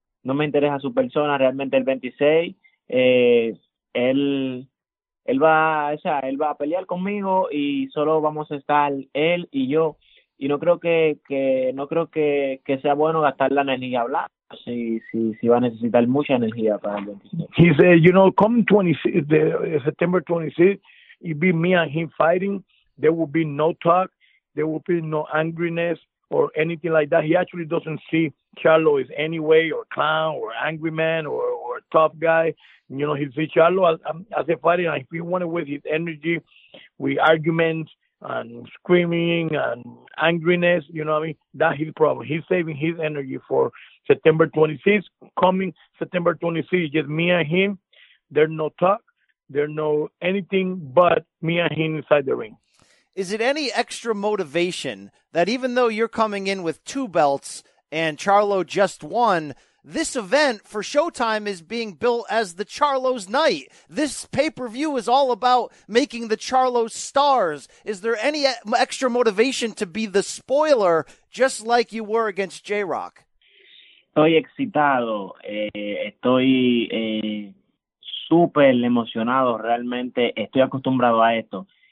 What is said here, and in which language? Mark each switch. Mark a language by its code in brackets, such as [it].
[es] No me interesa su persona, realmente el 26, él va a pelear conmigo y solo vamos a estar él y yo. Y no creo que sea bueno gastar la energía hablando, si va a necesitar mucha energía para el 26. [en] He said, you know, come 26, September 26, it be me and him fighting, there will be no talk, there will be no angriness or anything like that. He actually doesn't see Charlo is anyway or clown or angry man or tough guy. You know, he sees Charlo as a fighter, and if he wanted with his energy, with arguments and screaming and angriness, you know what I mean? That's his problem. He's saving his energy for September 26th. Coming September 26th, just me and him. There's no talk. There's no anything but me and him inside the ring. Is it any extra motivation that even though you're coming in with two belts and Charlo just won, this event for Showtime is being built as the Charlo's night? This pay-per-view is all about making the Charlo's stars. Is there any extra motivation to be the spoiler just like you were against J-Rock? [es] Estoy excitado. Estoy súper emocionado. Realmente estoy acostumbrado a esto.